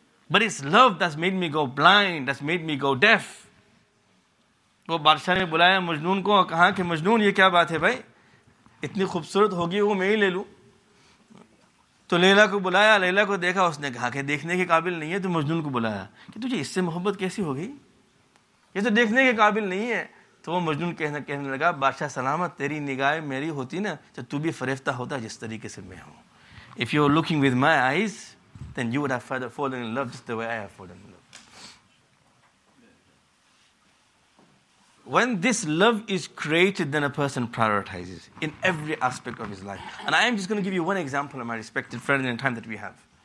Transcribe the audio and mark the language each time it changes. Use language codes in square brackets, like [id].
[en] But it's love that's made me go blind, that's made me go deaf. [ur] وہ بادشاہ نے بلایا مجنون کو, کہا کہ مجنون یہ کیا بات ہے بھائی, اتنی خوبصورت ہوگی وہ میں ہی لے لوں. تو لیلا کو بلایا, لیلا کو دیکھا, اس نے کہا کہ دیکھنے کے قابل نہیں ہے. تو مجنون کو بلایا کہ تجھے اس سے محبت کیسی ہو گئی, یہ تو دیکھنے کے قابل نہیں ہے. تو وہ مجنون کہنے لگا, بادشاہ سلامت, تیری نگاہیں میری ہوتی نا تو تو بھی فریفتہ ہوتا جس طریقے سے میں ہوں. [en] If you are looking with my eyes, then you would have fallen in love just the way I have fallen in love. When this love is created, then a person prioritizes in every aspect of his life. And I am just going to give you one example of my respected friend in the time that we have.